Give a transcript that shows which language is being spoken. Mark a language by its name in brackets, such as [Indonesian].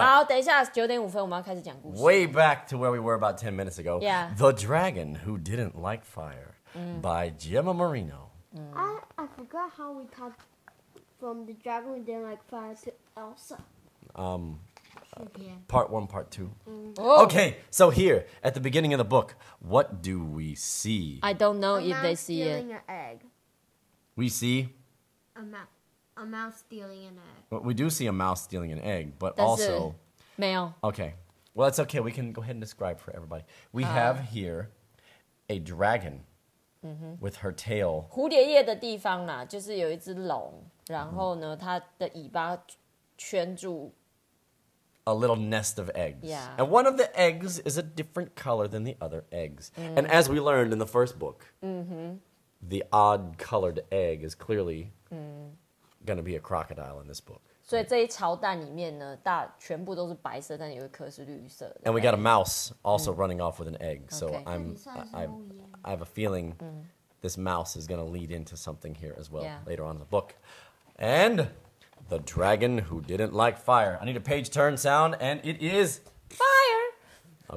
[Chinese] 好,等一下9点5分我们要开始讲故事。 [English] Way back to where we were about 10 minutes ago. Yeah. The Dragon Who Didn't Like Fire by Gemma Marino. I forgot how we talked from the dragon who didn't like fire to Elsa. Part one, part two. Mm-hmm. Oh. Okay, so here, at the beginning of the book, what do we see? I don't know if they see it. A mouse stealing an egg. We see? A mouse stealing an egg. Well, we do see a mouse stealing an egg, but that's also... a male. Okay, well, that's okay. We can go ahead and describe for everybody. We have here a dragon. Mm-hmm. With her tail. [Chinese] 蝴蝶叶的地方啦，就是有一只龙，然后呢，它的尾巴圈住。 [English] A little nest of eggs. Yeah. And one of the eggs is a different color than the other eggs. Mm-hmm. And as we learned in the first book, the odd colored egg is clearly going to be a crocodile in this book. [Chinese] 所以这一巢蛋里面呢，大全部都是白色，但有一颗是绿色的。 [English] And we got a mouse also running off with an egg. So okay. I have a feeling this mouse is going to lead into something here as well later on in the book. And the dragon who didn't like fire. I need a page turn sound, and it is fire.